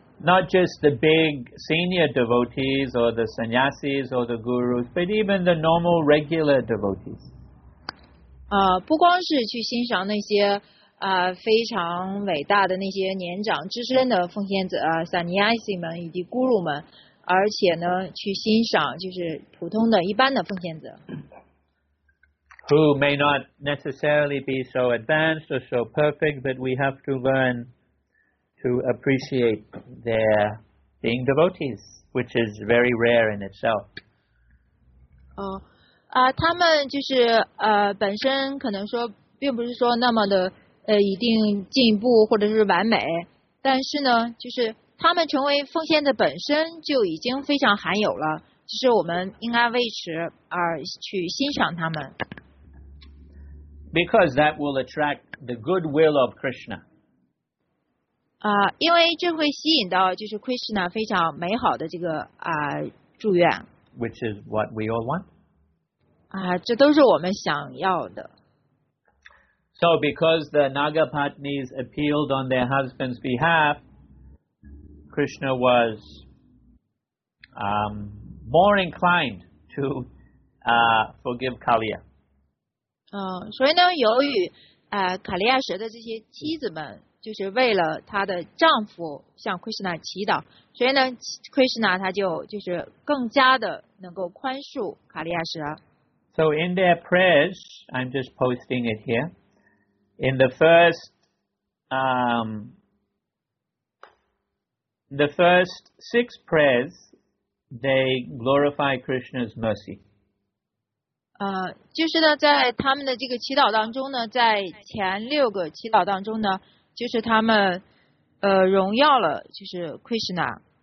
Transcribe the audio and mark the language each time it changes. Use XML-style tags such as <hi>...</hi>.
<en>Not just the big senior devotees or the sannyasis or the gurus, but even the normal regular devotees.</en> <zh>不光是去欣赏那些非常伟大的那些年长资深的奉献者sannyasi们以及咕噜们，而且呢去欣赏就是普通的一般的奉献者</zh> <en>who may not necessarily be so advanced or so perfect, but we have to learn to appreciate their being devotees, which is very rare in itself.</en> <zh>他们就是本身可能说并不是说那么的一定进步或者是完美，但是呢就是他们成为奉献的本身就已经非常罕有了，就是我们应该为此而去欣赏他们。</zh> <en>Because that will attract the goodwill of Krishna.</en> <zh>因为这会吸引到就是 Krishna 非常美好的这个祝愿。</zh> <en>Which is what we all want.</en> <zh>这都是我们想要的。</zh> <en>So because the Nagapatnis appealed on their husband's behalf, Krishna was more inclined to forgive Kaliya.</en> <zh>所以呢由于卡利亚舍的这些妻子们就是为了她的丈夫向 Krishna 祈祷，所以呢 Krishna 他就是更加的能够宽恕卡利亚舍。</zh> <en>So in their prayers, I'm just posting it here,In the first, six prayers, they glorify Krishna's mercy.</en> <zh>就是呢，在他们的这个祈祷当中呢，在前六个祈祷当中呢，就是他们荣耀了，就是 Krishna.</zh>